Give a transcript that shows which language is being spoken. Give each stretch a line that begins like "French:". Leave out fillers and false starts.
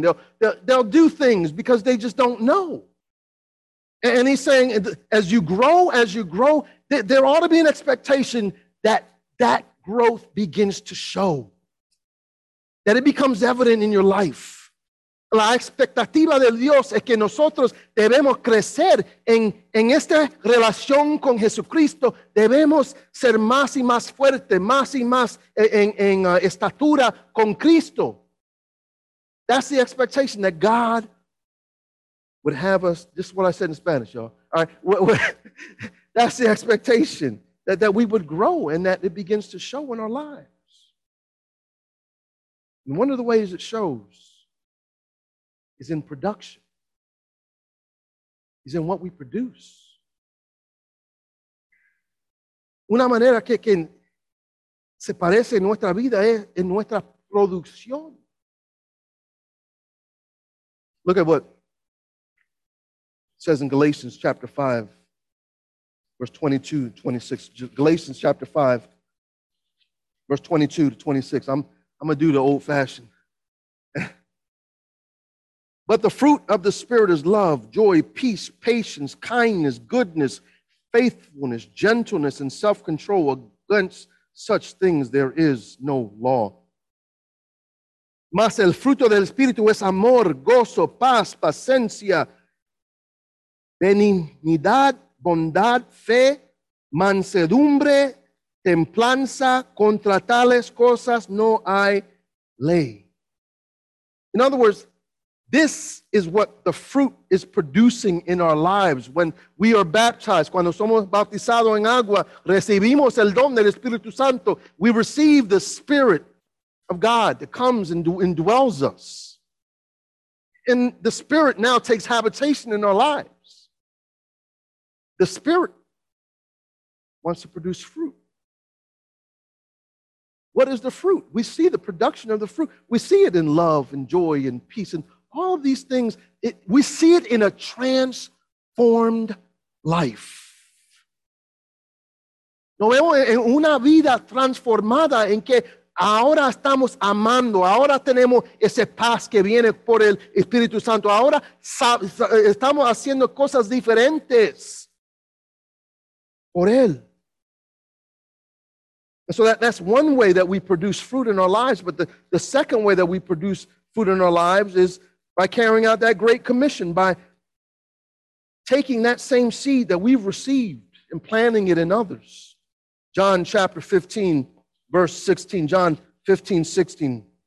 English: They'll do things because they just don't know. And he's saying, as you grow, there ought to be an expectation that that growth begins to show, that it becomes evident in your life.
Spanish: La expectativa de Dios es que nosotros debemos crecer en esta relación con Jesucristo. Debemos ser más y más fuerte, más y más en estatura con Cristo.
English: That's the expectation that God would have us. This is what I said in Spanish, y'all. All right. That's the expectation that we would grow and that it begins to show in our lives. And one of the ways it shows is in production, is in what we produce.
Spanish: Una manera que se parece en nuestra vida es en nuestra producción.
English: Look at what it says in Galatians chapter 5, verse 22 to 26. Galatians chapter 5, verse 22 to 26. I'm going to do the old fashioned. But the fruit of the Spirit is love, joy, peace, patience, kindness, goodness, faithfulness, gentleness, and self-control. Against such things there is no law.
Spanish: Mas el fruto del Espíritu es amor, gozo, paz, paciencia, benignidad, bondad, fe, mansedumbre, templanza. Contra tales cosas no hay ley.
English: In other words, this is what the fruit is producing in our lives when we are baptized.
Spanish: Cuando somos bautizados en agua, recibimos el don del Espíritu Santo.
English: We receive the Spirit of God that comes and indwells us. And the Spirit now takes habitation in our lives. The Spirit wants to produce fruit. What is the fruit? We see the production of the fruit. We see it in love and joy and peace and all of these things, we see it in a transformed life.
Spanish: Lo vemos en una vida transformada en que ahora estamos amando, ahora tenemos ese paz que viene por el Espíritu Santo, ahora estamos haciendo cosas diferentes por él.
English: And so that's one way that we produce fruit in our lives, but the second way that we produce fruit in our lives is by carrying out that great commission, by taking that same seed that we've received and planting it in others. John chapter 15, verse 16. John 15, 16.